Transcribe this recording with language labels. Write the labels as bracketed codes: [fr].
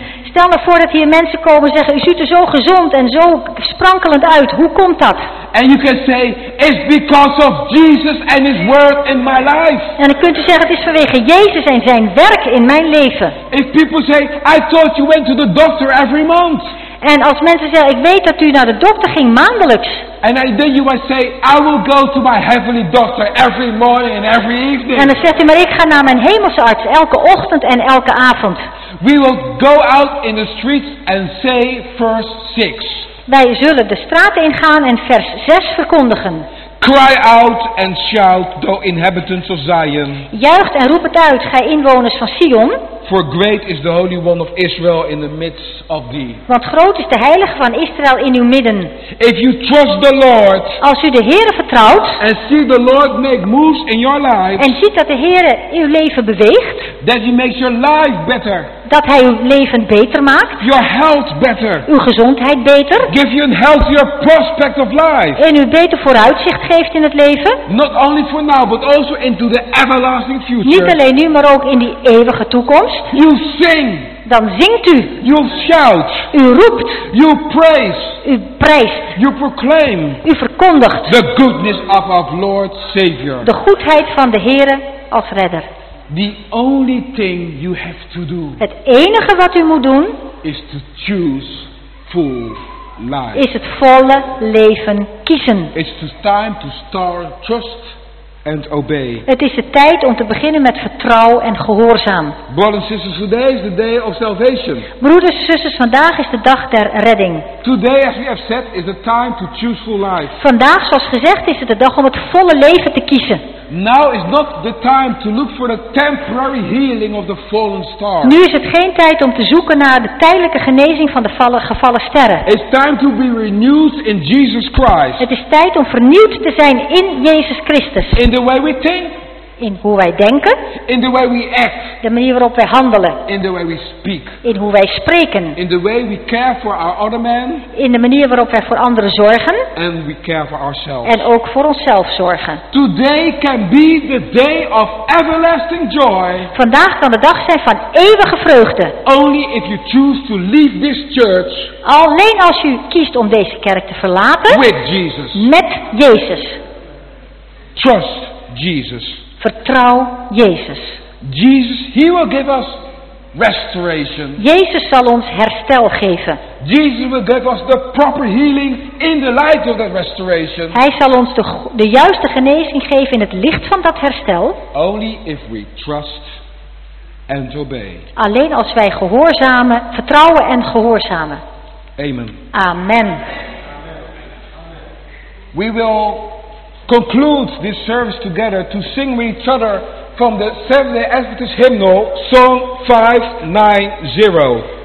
[nl] Stel maar voor dat hier mensen komen zeggen, u ziet er zo gezond en zo sprankelend uit. Hoe komt dat? [en] And you can say, it's because of Jesus and his word in my life. [nl] En dan kunt u zeggen, het is vanwege Jezus en zijn werk in mijn leven. [en] If people say, I thought you went to the doctor every month. [nl] En als mensen zeggen, ik weet dat u naar de dokter ging maandelijks. [en] And then you might say, I will go to my heavenly doctor every morning and every evening. [nl] En dan zegt u, maar ik ga naar mijn hemelse arts elke ochtend en elke avond. [en] We will go out in the streets and say verse 6. [nl] Wij zullen de straten ingaan en vers 6 verkondigen. [en] Cry out and shout, O inhabitants of Zion. [nl] Juicht en roep het uit, gij inwoners van Sion. [en] For great is the Holy One of Israel in the midst of thee. [nl] Want groot is de Heilige van Israël in uw midden. [en] If you trust the Lord. [nl] Als u de Heere vertrouwt. [en] And see the Lord make moves in your life. [nl] En ziet dat de Heere uw leven beweegt. [en] That he makes your life better. [nl] Dat hij uw leven beter maakt. [en] Your health better. [nl] Uw gezondheid beter. [en] Give you a healthier prospect of life. [nl] En u beter vooruitzicht geeft in het leven. [en] Not only for now, but also into the everlasting future. [nl] Niet alleen nu, maar ook in die eeuwige toekomst. [en] You sing. [nl] Dan zingt u. [en] You shout. [nl] U roept. [en] You praise. [nl] U prijst. [en] You proclaim. [nl] U verkondigt. [en] The goodness of our Lord Savior. [nl] De goedheid van de Heere als redder. [en] The only thing you have to do. [nl] Het enige wat u moet doen. [en] Is to choose full life. [nl] Is het volle leven kiezen. [en] It's the time to start trust and obey. [nl] Het is de tijd om te beginnen met vertrouw en gehoorzaam. [en] Brothers and sisters, today is the day of salvation. [nl] Broeders en zusters, vandaag is de dag der redding. [en] Today, as we have said, is the time to choose full life. [nl] Vandaag, zoals gezegd, is het de dag om het volle leven te kiezen. [en] Now is not the time to look for the temporary healing of the fallen star. [nl] Nu is het geen tijd om te zoeken naar de tijdelijke genezing van de gevallen sterren. [en] It's time to be renewed in Jesus Christ. [nl] Het is tijd om vernieuwd te zijn in Jezus Christus. [en] In the way we think. [nl] In hoe wij denken. [en] In the way we act. [nl] De manier waarop wij handelen. [en] In the way we speak. [nl] In hoe wij spreken. [en] In the way we care for our other man. [nl] In de manier waarop wij voor anderen zorgen. [en] And we care for ourselves. [nl] En ook voor onszelf zorgen. [en] Today can be the day of everlasting joy. [nl] Vandaag kan de dag zijn van eeuwige vreugde. [en] Only if you choose to leave this church. [nl] Alleen als u kiest om deze kerk te verlaten. [en] With Jesus. [nl] Met Jezus. [en] Trust Jesus. [nl] Vertrouw Jezus. [en] Jesus, he will give us restoration. [nl] Jezus zal ons herstel geven. [en] Jesus will give us the proper healing in the light of that restoration. [nl] Hij zal ons de juiste genezing geven in het licht van dat herstel. [en] Only if we trust and obey. [nl] Alleen als wij gehoorzamen, vertrouwen en gehoorzamen. [en] Amen. [nl] Amen. [en] We will conclude this service together to sing with each other from the Seventh Day Adventist hymnal, Song 590.